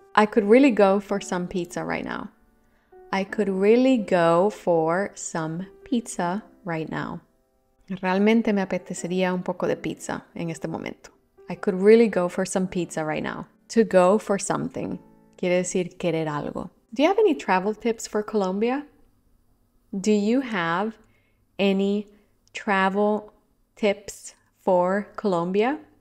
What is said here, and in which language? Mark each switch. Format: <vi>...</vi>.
<en>I could really go for some pizza right now. I could really go for some pizza right now.</en> <es>Realmente me apetecería un poco de pizza en este momento.</es> <en>I could really go for some pizza right now. To go for something.</en> <es>Quiere decir querer algo.</es> <en>Do you have any travel tips for Colombia? Do you have any travel tips for Colombia?</en>